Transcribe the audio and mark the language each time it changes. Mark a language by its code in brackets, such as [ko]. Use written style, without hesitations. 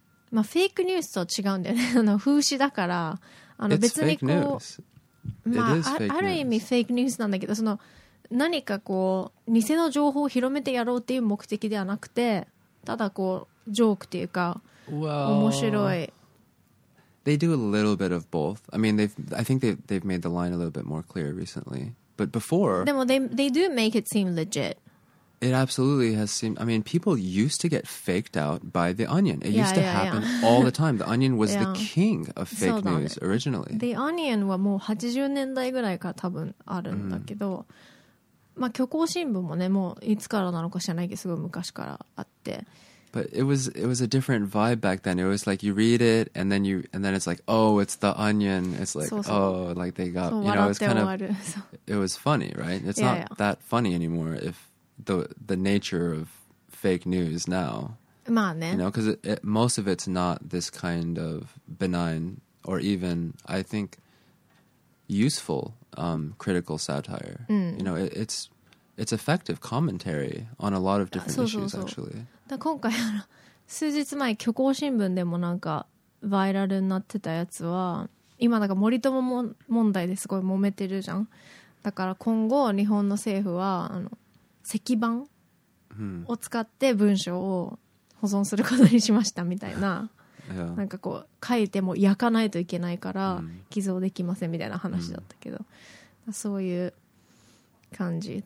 [ja] まあ、フェイクニュースとは違うんだよね。あの、風刺だから、あの、別にこう、まあ、ある意味フェイクニュースなんだけど、その、何かこう、偽の情報を広めてやろうっていう目的ではなくて、ただこう、ジョークっていうか、 [en] well, [ja] 面白い。 [en] They do a little bit of both. I mean, I think they've made the line a little bit more clear recently. But before... [ja] でも [en] they do make it seem legit. It absolutely has seemed... I mean, people used to get faked out by The Onion. It used to happen all the time. The Onion was the king of fake news originally. [ja] The Onion はもう80年代ぐらいから多分あるんだけど、まあ、虚構新聞もね、もういつからなのか知らないけど、すごい昔からあって。 [en] But it was a different vibe back then. It was like you read it, and then it's like, oh, it's The Onion. It's like, oh, like they got... You know, it was funny, right? It's not that funny anymore if... The nature of fake news now. [ja] まあね。 [en] You know, because most of it's not this kind of benign or even, I think, useful, critical satire. You know, it's effective commentary on a lot of different issues, actually. [ja] だ今回、数日前、虚構新聞でもなんかバイラルになってたやつは、今なんか森友も問題ですごい揉めてるじゃん。だから今後、日本の政府は、あの、石板を使って文章を保存することにしましたみたいな、なんかこう書いても焼かないといけないから寄贈できませんみたいな話だったけど、そういう感じ。